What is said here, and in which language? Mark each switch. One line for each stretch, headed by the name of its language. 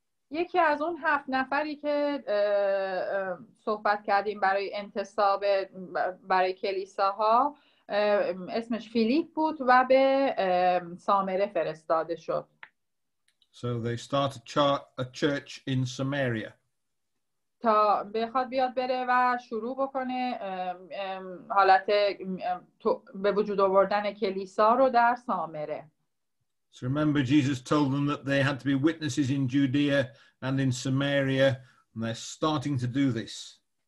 Persian: یکی از اون هفت نفری که صحبت کردیم برای انتصاب برای کلیساها اسمش فیلیپ بود و به سامره فرستاده شد.
English: So they start a church in Samaria.
Persian: تا بخواد بیاد بره و شروع بکنه حالت به وجود آوردن کلیسا رو در سامره.
English: So remember, Jesus told them that they had to be witnesses in Judea and in Samaria, and they're starting to do this.